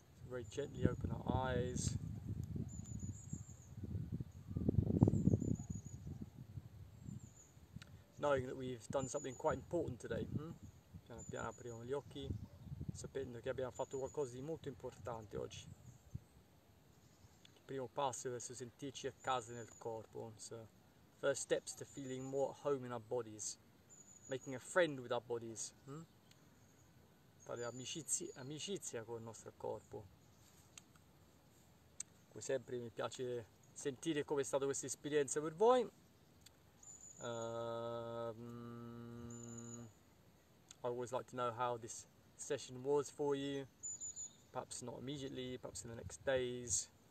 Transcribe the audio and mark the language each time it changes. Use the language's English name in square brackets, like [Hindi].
[English] Very gently open our eyes. Knowing that we've done something quite important today. [Italian] Piano piano apriamo gli occhi, sapendo che abbiamo fatto qualcosa di molto importante oggi. Il primo passo verso sentirci a casa nel corpo. [English] So, first steps to feeling more at home in our bodies. Making a friend with our bodies. [Italian] Fare amicizia con il nostro corpo. Come sempre mi piace sentire come è stata questa esperienza per voi. [English] I always like to know how this session was for you. Perhaps not immediately, perhaps in the next days.